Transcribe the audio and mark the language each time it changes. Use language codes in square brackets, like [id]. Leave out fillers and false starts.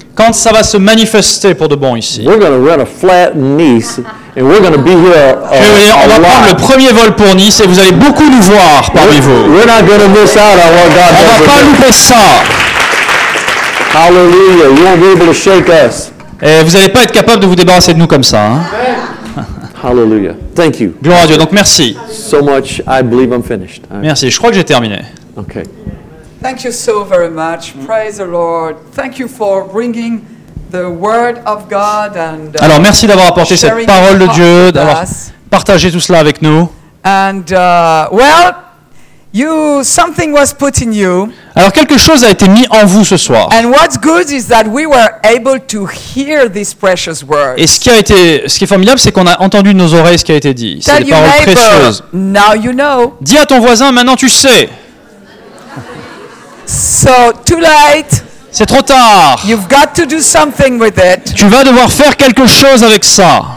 [fr] quand ça va se manifester pour de bon ici, [en] we're going to run a flat Nice, and we're going to be here a lot. [fr] On va prendre le premier vol pour Nice et vous allez beaucoup nous voir parmi vous. [en] We're not going to miss out on what God [fr] on [en] does. [fr] On va pas louper ça. [en] Hallelujah, you won't be able to shake us. [fr] Et vous allez pas être capable de vous débarrasser de nous comme ça. Hein? [en] Hallelujah, thank you. [fr] Gloire à Dieu. Donc merci. [en] So much, I believe I'm finished. [fr] Merci, je crois que j'ai terminé. [en] Okay. Thank you so very much. Praise the Lord. Thank you for bringing the word of God and [fr] alors merci d'avoir apporté cette parole de Dieu, d'avoir partagé tout cela avec nous. [en] And something was put in you. [fr] Alors quelque chose a été mis en vous ce soir. [en] And what's good is that we were able to hear these precious words. [fr] Et ce qui est formidable, c'est qu'on a entendu nos oreilles ce qui a été dit. C'est des paroles précieuses. [en] Now you know. [fr] Dis à ton voisin maintenant tu sais. [en] So too late. [fr] C'est trop tard. [en] You've got to do something with it. [fr] Tu vas devoir faire quelque chose avec ça.